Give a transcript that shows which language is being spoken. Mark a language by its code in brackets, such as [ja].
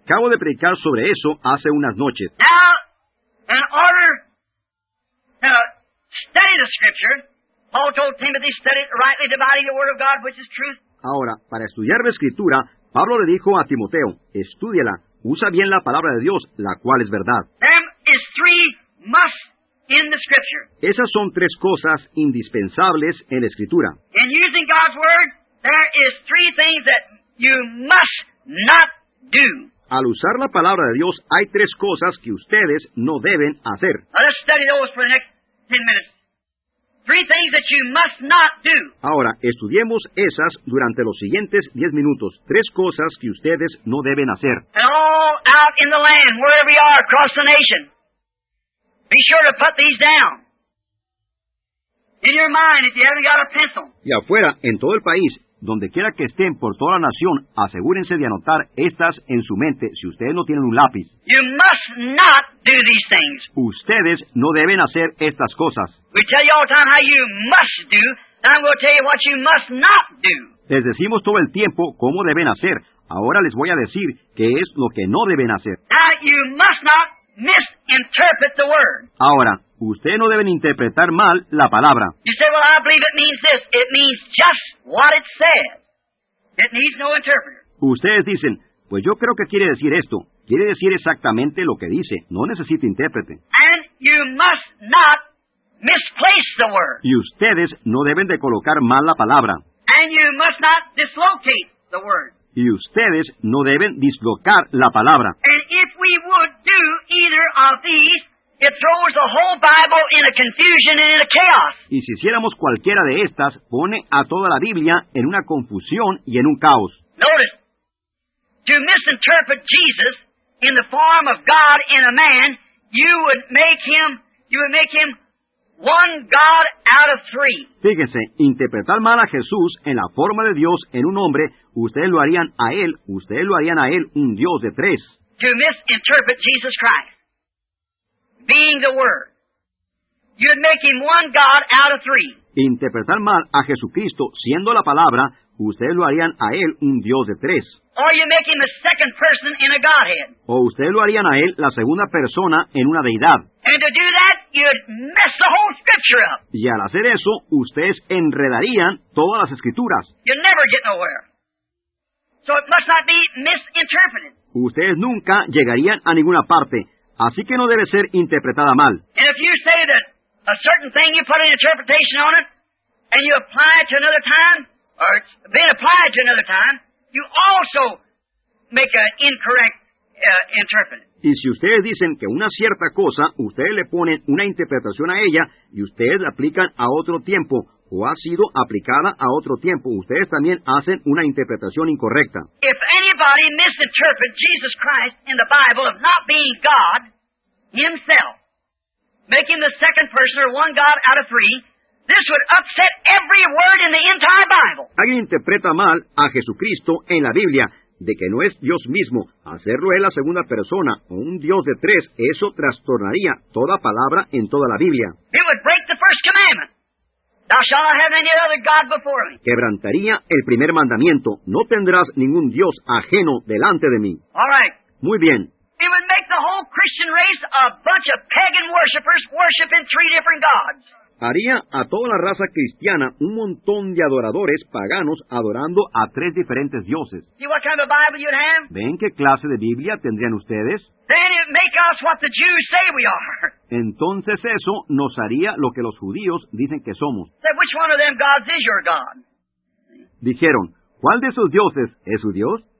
[es] Acabo de predicar sobre eso hace unas noches. [en] Now, in order to study the scripture. Paul told Timothy, study rightly dividing the word of God, which is truth. [es] Ahora, para estudiar la escritura, Pablo le dijo a Timoteo, estúdiala, usa bien la palabra de Dios, la cual es verdad. [en] There is three must in the scripture. [es] Esas son tres cosas indispensables en la escritura. [en] In using God's word, there is three things that you must not do. [es] Al usar la palabra de Dios, hay tres cosas que ustedes no deben hacer. [en] Let's study those for the next 10 minutes. Three things that you must not do. [es] Ahora, estudiemos esas durante los siguientes 10 minutos. Tres cosas que ustedes no deben hacer. [en] And all out in the land, wherever you are, across the nation, be sure to put these down. In your mind, if you haven't got a pencil. [es] Y afuera, en todo el país, donde quiera que estén por toda la nación, asegúrense de anotar estas en su mente si ustedes no tienen un lápiz. [en] You must not do these things. [es] Ustedes no deben hacer estas cosas. [en] We tell you all the time how you must do, and I'm going to tell you what you must not do. [es] Les decimos todo el tiempo cómo deben hacer. Ahora les voy a decir qué es lo que no deben hacer. [en] Now, you must not misinterpret the word. [es] Ahora, ustedes no deben interpretar mal la palabra. [en] You say, well, I believe it means this. It means just what it says. It needs no interpreter. [es] Ustedes dicen, pues yo creo que quiere decir esto. Quiere decir exactamente lo que dice. No necesita intérprete. [en] And you must not misplace the word. [es] Y ustedes no deben de colocar mal la palabra. [en] And you must not dislocate the word. [es] Y ustedes no deben dislocar la palabra. [en] And if we would do either of these, it throws the whole Bible in a confusion and in a chaos. [es] Y si hiciéramos cualquiera de estas, pone a toda la Biblia en una confusión y en un caos. [en] Notice, to misinterpret Jesus in the form of God in a man, you would make him one God out of three. [es] Fíjense, interpretar mal a Jesús en la forma de Dios en un hombre, ustedes lo harían a él un Dios de tres. [en] To misinterpret Jesus Christ being the Word, you'd make him one God out of three. [es] Interpretar mal a Jesucristo siendo la palabra, ustedes lo harían a él un Dios de tres. [en] Or you make him a second person in a Godhead. [es] O ustedes lo harían a él la segunda persona en una deidad. [en] And to do that, you'd mess the whole scripture up. [es] Y al hacer eso, ustedes enredarían todas las escrituras. [en] You'd never get nowhere. So it must not be misinterpreted. [es] Ustedes nunca llegarían a ninguna parte. Así que no debe ser interpretada mal. [en] And if you say that a certain thing you put an interpretation on it, and you apply it to another time, or it's been applied to another time, you also make an incorrect interpret. [es] Y si ustedes dicen que una cierta cosa, ustedes le ponen una interpretación a ella, y ustedes la aplican a otro tiempo, o ha sido aplicada a otro tiempo, ustedes también hacen una interpretación incorrecta. [en] If anybody misinterprets Jesus Christ in the Bible of not being God himself, making the second person or one God out of three, this would upset every word in the entire Bible. [es] Alguien interpreta mal a Jesucristo en la Biblia de que no es Dios mismo. Hacerlo en la segunda persona o un Dios de tres, eso trastornaría toda palabra en toda la Biblia. [en] It would break the first commandment. Thou shalt not have any other God before me. [es] Quebrantaría el primer mandamiento. No tendrás ningún Dios ajeno delante de mí. [en] All right. [es] Muy bien. [en] It would make the whole Christian race a bunch of pagan worshippers worshiping three different gods. [es] Haría a toda la raza cristiana un montón de adoradores paganos adorando a tres diferentes dioses. [en] See what kind of Bible you'd have? [es] ¿Ven qué clase de Biblia tendrían ustedes? [en] Then it'd make us what the Jews say we are. [es] Entonces eso nos haría lo que los judíos dicen que somos. [en] Say, which one of them gods is your God? [es] Dijeron, ¿cuál de esos dioses es su Dios?